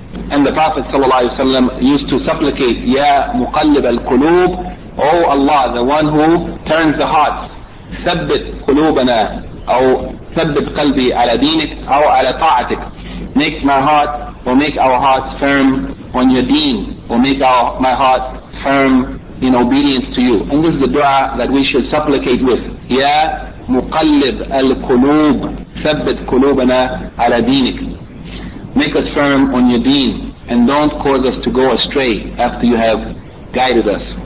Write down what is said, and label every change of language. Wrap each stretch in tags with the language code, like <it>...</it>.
<en>And the Prophet ﷺ used to supplicate,</en> <ar>Ya Muqallib al-Qulub,</ar> <en>O Allah, the one who turns the hearts,</en> <ar>ثبت قلوبنا أو ثبت قلبي على دينك أو على طاعتك.</ar> <en>Make my heart, or make our hearts firm on Your deen, or make my heart firm in obedience to You. And this is the dua that we should supplicate with.</en> <ar>Ya Muqallib al-Qulub, ثبت قلوبنا على دينك.</ar> <en>Make us firm on Your deen, and don't cause us to go astray after You have guided us.</en>